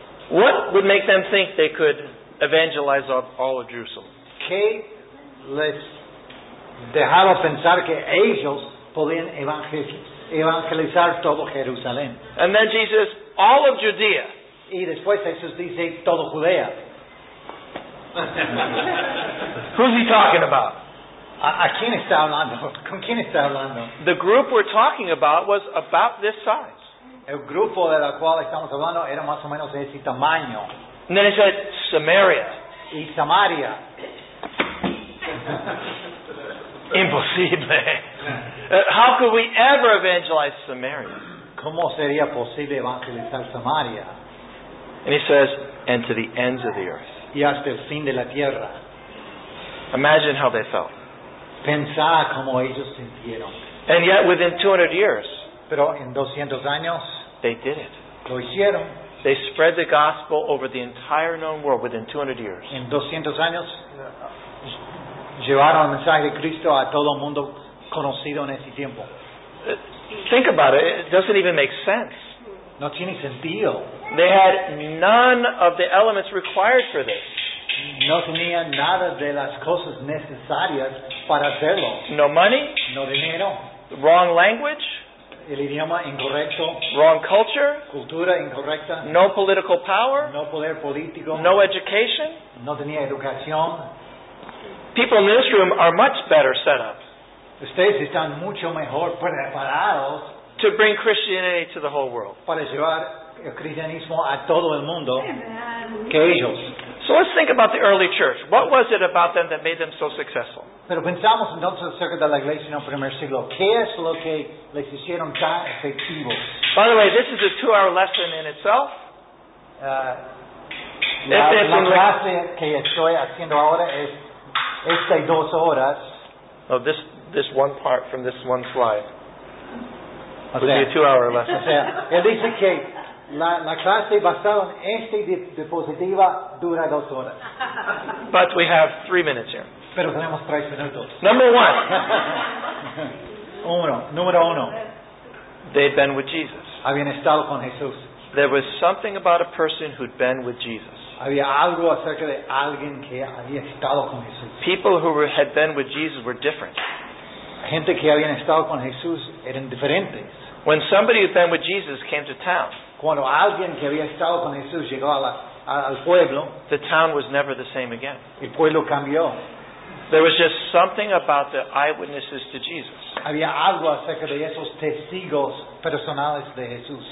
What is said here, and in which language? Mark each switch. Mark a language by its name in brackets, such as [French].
[English] What would make them think they could evangelize all of Jerusalem? [Spanish] ¿Qué les dejaba pensar que ellos podían evangelizar todo Jerusalén? [English] And then Jesus, all of Judea. [Spanish] Y después Jesús dice, todo Judea. [English] Who's he talking about? [Spanish] ¿A quién está hablando? ¿Con quién está hablando? [English] The group we're talking about was about this size. [Spanish] El grupo de la cual estamos hablando era más o menos de ese tamaño. [English] And then he said, Samaria. [Spanish] Y Samaria. [English] Imposible. How could we ever evangelize Samaria? [Spanish] ¿Cómo sería posible evangelizar Samaria? [English] And he says, and to the ends of the earth. [Spanish] Y hasta el fin de la tierra. [English] Imagine how they felt. [Spanish] Pensar como ellos sintieron. [English] And yet within 200 years, [Spanish] pero en 200 años, [English] they did it. [Spanish] Lo hicieron. [English] They spread the gospel over the entire known world within 200 years. [Spanish] En 200 años, llevaron el mensaje de Cristo a todo el mundo conocido en ese tiempo. [English] Think about it. It doesn't even make sense. [Spanish] No tiene sentido. [English] They had none of the elements required for this. [Spanish] No tenía nada de las cosas necesarias para hacerlo. [English] No money. [Spanish] No dinero. [English] Wrong language. [Spanish] El idioma incorrecto. [English] Wrong culture. [Spanish] Cultura incorrecta. [English] No political power. [Spanish] No poder político. [English] No education. [Spanish] No tenía educación. [English] People in this room are much better set up. [Spanish] Ustedes están mucho mejor preparados [English] to bring Christianity to the whole world. [Spanish] Para llevar el cristianismo a todo el mundo. Amen. Que ellos. [English] So let's think about the early church. What was it about them that made them so successful? [Spanish] Pero pensamos entonces acerca de la iglesia en el primer siglo. ¿Qué es lo que les hicieron tan efectivos? [English] By the way, this is a 2-hour lesson in itself. [Spanish] La clase que estoy haciendo ahora es estas dos horas. [English] Oh, this one part from this one slide. It'll be a 2-hour lesson. [Spanish] O sea, él dice que la clase basada en esta diapositiva dura dos horas. [English] But we have 3 minutes here. [Spanish] Pero tenemos tres minutos. [English] Number one. [Spanish] Número uno. [English] They'd been with Jesus. [Spanish] Habían estado con Jesús. [English] There was something about a person who'd been with Jesus. [Spanish] Había algo acerca de alguien que había estado con Jesús. [English] People who had been with Jesus were different. [Spanish] Gente que habían estado con Jesús eran diferentes. [English] When somebody who'd been with Jesus came to town, [Spanish] cuando alguien que había estado con Jesús llegó al pueblo, [English] the town was never the same again. [Spanish] El pueblo cambió. [English] There was just something about the eyewitnesses to Jesus. [Spanish] Había algo acerca de esos testigos personales de Jesús.